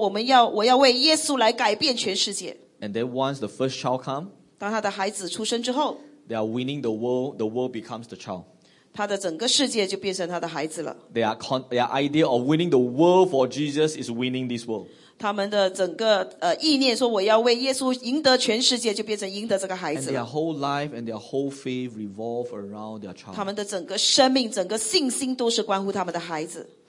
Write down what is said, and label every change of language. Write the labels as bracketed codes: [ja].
[zh] 你有没有认识过一些人呢？他们在单身的时候或者还没有生子的时候，他们的信心何其的大！他们说，我要为耶稣来改变全世界。 [en] And then once the first child comes, [zh] 当他的孩子出生之后, [en] they are winning the world. The world becomes the child. [zh] 他的整个世界就变成他的孩子了。 [en] Their idea of winning the world for Jesus is winning this world. [zh] 他们的整个意念说我要为耶稣赢得全世界，就变成赢得这个孩子。 [en] And their whole life and their whole faith revolve around their child. [zh] 他们的整个生命、整个信心都是关乎他们的孩子。